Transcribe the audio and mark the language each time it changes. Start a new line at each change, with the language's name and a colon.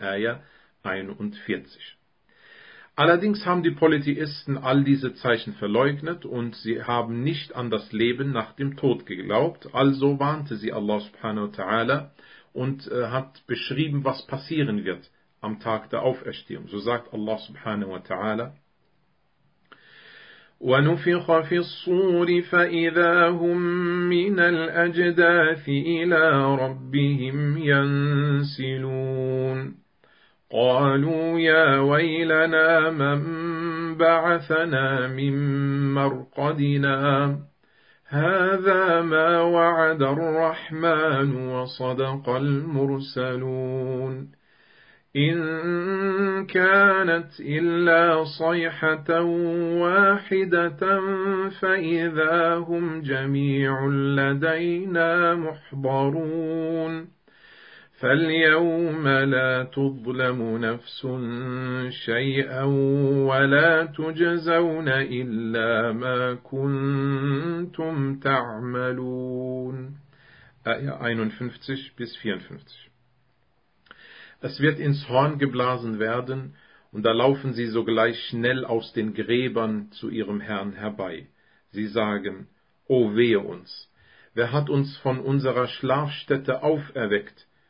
German: Ayah 41. Allerdings haben die Polytheisten all diese Zeichen verleugnet und sie haben nicht an das Leben nach dem Tod geglaubt. Also warnte sie Allah subhanahu wa ta'ala und hat beschrieben, was passieren wird am Tag der Auferstehung. So sagt
Arabic: Allah subhanahu wa ta'ala, وَنُفِخَ فِي الصُّورِ فَإِذَا هُمْ مِنَ الْأَجْدَاثِ إِلَىٰ رَبِّهِمْ يَنْسِلُونَ قالوا يا ويلنا من بعثنا من مرقدنا هذا ما وعد الرحمن وصدق المرسلون إن كانت إلا صيحة واحدة فإذا هم جميع لدينا محضرون فاليوم لا تظلم نفس شيئا ولا تجزون إلا ما كنتم تعملون.
German: آية 51 bis 54. Es wird ins Horn geblasen werden, und da laufen sie sogleich schnell aus den Gräbern zu ihrem Herrn herbei. Sie sagen, O wehe uns! Wer hat uns von unserer Schlafstätte auferweckt?